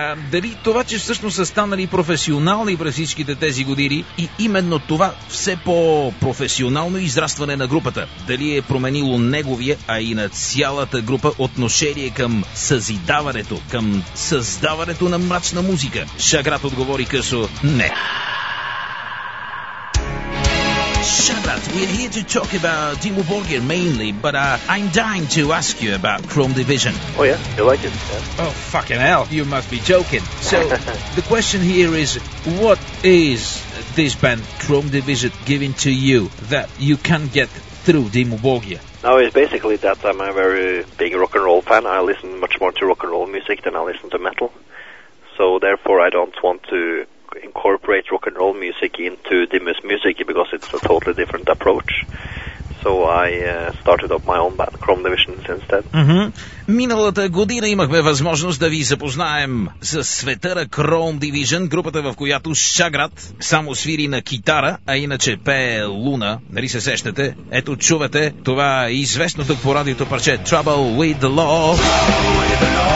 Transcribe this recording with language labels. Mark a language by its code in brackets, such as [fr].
[bg] Дали това, че всъщност са станали професионални през всичките тези години и именно това все по-професионално израстване на групата, дали е променило неговия, а и на цялата група, отношение към съзидаването, към създаването на мрачна музика? Шаграт отговори късо – не. [en] Shabbat, we're here to talk about Dimmu Borgir mainly, but I'm dying to ask you about Chrome Division. Oh yeah, you like it, yeah. Oh, fucking hell, you must be joking. So, the question here is, what is this band Chrome Division giving to you that you can't get through Dimmu Borgir? No, it's basically that I'm a very big rock and roll fan. I listen much more to rock and roll music than I listen to metal. So, therefore, I don't want to incorporate rock and roll music into Dimmu's music because it's a totally different approach. So I started up my own band, Chrome Division, since then. Mm-hmm. [bg] Миналата година имахме възможност да ви запознаем с света на Chrome Division, групата в която Шаграт само свири на китара, а иначе пее Луна. Нали се сещате? Ето чувате това известно тук по радиото парче Trouble with the Law.